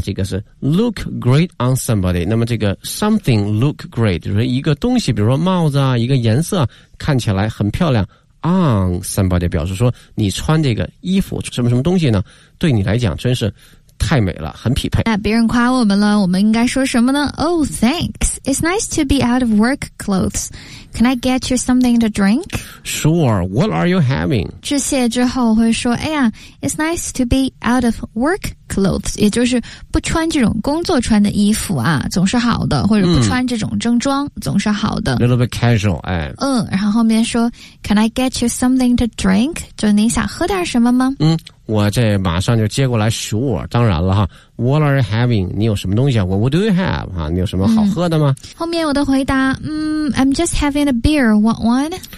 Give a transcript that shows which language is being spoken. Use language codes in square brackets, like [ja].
[zh] 这个是 [en] look great on somebody， [zh] 那么这个 [en] something look great [zh] 就是一个东西，比如说帽子啊，一个颜色看起来很漂亮。 On somebody 表示说你穿这个衣服什么什么东西呢，对你来讲真是太美了，很匹配。那别人夸我们了，我们应该说什么呢？ [en] Oh, thanks. It's nice to be out of work clothes. Can I get you something to drink? Sure. What are you having? [zh] 致谢之后会说，哎呀， [en] It's nice to be out of work clothes. [zh] 也就是不穿这种工作穿的衣服啊，总是好的，或者不穿这种正装，总是好的。 [en] A little bit casual, 哎。 [zh] 然后后面说， [en] Can I get you something to drink? [zh] 就你想喝点什么吗？我这马上就接过来 sure, 当然了哈 , [en] what are you having? [zh] 你有什么东西啊 ? [en] what do you have? [zh] 哈，你有什么好喝的吗？后面我的回答， [en] I'm just having a beer, want one?